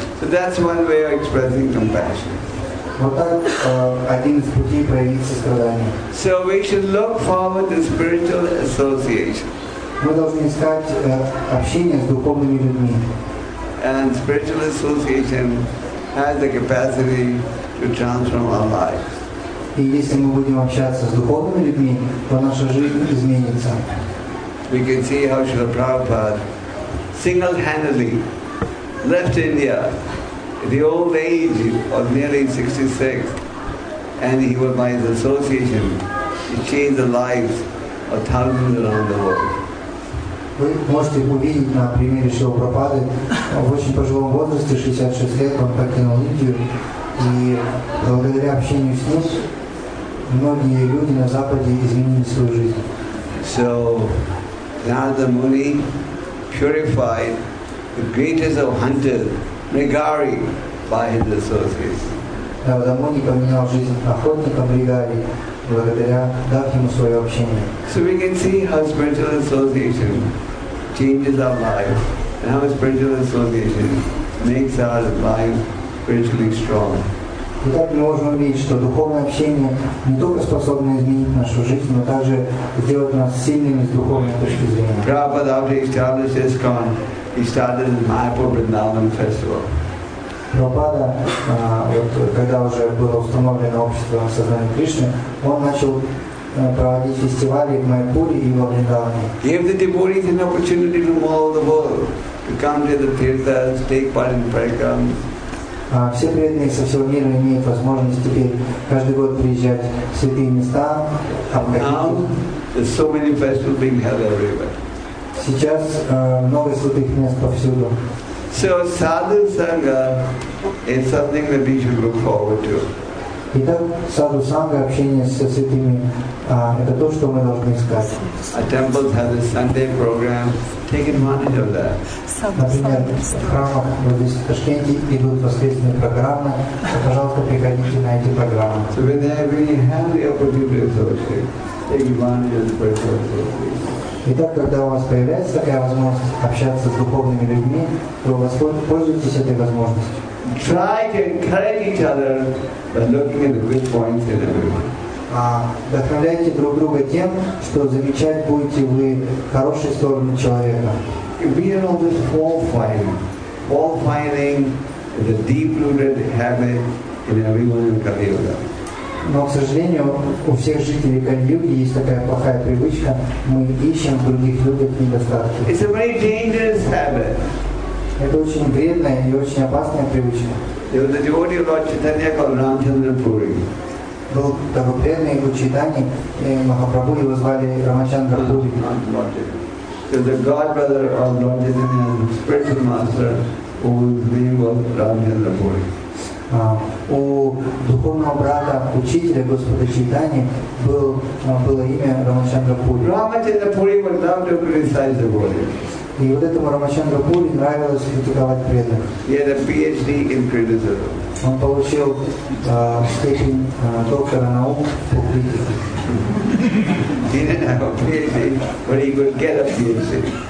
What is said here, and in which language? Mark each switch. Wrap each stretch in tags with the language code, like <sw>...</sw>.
<en>So that's one way of expressing compassion.</en> <ru>Вот так один из путей проявить сострадание.</ru> <en>So we should look forward to spiritual association.</en> <ru>Мы должны искать общение с духовными людьми.</ru> <en>And spiritual association has the capacity to transform our lives.</en> <ru>И если мы будем общаться с духовными людьми, то наша жизнь изменится.</ru> <en>We can see how Srila Prabhupada single-handedly left India at the old age of nearly 66, and he was by his association, he changed the lives of thousands around the world.</en> <ru>Вы можете увидеть на примере Шрила Прабхупады, в очень пожилом возрасте, 66 лет, он покинул Индию, и благодаря общению с ним многие люди на Западе изменили свою жизнь.</ru> <en>So, Narada Muni purified the greatest of hunters, Mrigari, by his associates.</en> <ru>Narada Muni поменял жизнь охотника Мригари благодаря дав ему свое общение.</ru> <en>So we can see how spiritual association changes our life, and how spiritual association makes our life spiritually strong.</en> <ru>Итак, мы можем увидеть, что духовное общение не только способно изменить нашу жизнь, но также сделать нас сильными с духовной точки зрения.</ru> <en>Prabhupada, after he established ISKCON, he started his Mayapur Vrindavan festival.</en> <ru>Prabhupada, когда уже было установлено общество сознания Кришны, он начал проводить фестивали в Майпуре и в Вриндаване.</ru> <en>Give the devotees an opportunity from all the world to come to the Tirthas, take part in Parikram.</en> <ru>Все преданные со всего мира имеют возможность теперь каждый год приезжать в святые места.</ru> <en>Now, there's so many festivals being held everywhere.</en> <ru>Сейчас много святых мест повсюду.</ru> <en>So sadhu sangha is something that we should look forward to.</en> <ru>Итак, sadhu sangha, общение со святыми, это то, что мы должны искать.</ru> <en>A temple has a Sunday program. Take advantage of that.</en> <ru>Например, в храмах в Ташкенте идут воскресные программы. Пожалуйста, приходите на эти программы.</ru> <en>So when they have really healthy opportunity to associate, take advantage of the program.</en> <ru>Итак, когда у вас появляется такая возможность общаться с духовными людьми, то воспользуйтесь этой возможностью.</ru> <en>Try to encourage each other by looking at the good points in everyone.</en> <ru>Вдохновляйте друг друга тем, что замечать будете вы хорошие стороны человека.</ru> <en>We are all this fall fighting. Fall fighting is a deep-rooted habit in everyone in Kali-Yuga.</en> <ru>Но, к сожалению, у всех жителей Кали-Юги есть такая плохая привычка. Мы ищем в других людях недостатки.</ru> <en>It's a very dangerous habit.</en> <ru>Это очень вредная и очень опасная привычка.</ru> <en>There was a devotee of Lord Chaitanya called Ramchandra Puri.</en> <ru>Был такой преданный в Чайтане, и Махапрабху его звали Рамачандра Пури.</ru> <en>He was the godbrother of Lord Chaitanya, the spiritual master, whose name was Ramchandra Puri.</en> <ru>У духовного брата, учителя Господа Чайтани, было имя Рамачандра Пури.</ru> <en>Рамачандра Пури would love to criticize the body.</en> <ru>И вот этому Рамачандра Пури нравилось критиковать преданных.</ru> <en>He had a PhD in criticism.</en> <ru>Он получил степень доктора наук по критике.</ru> <en>He didn't have a PhD, but he could get a PhD.</en>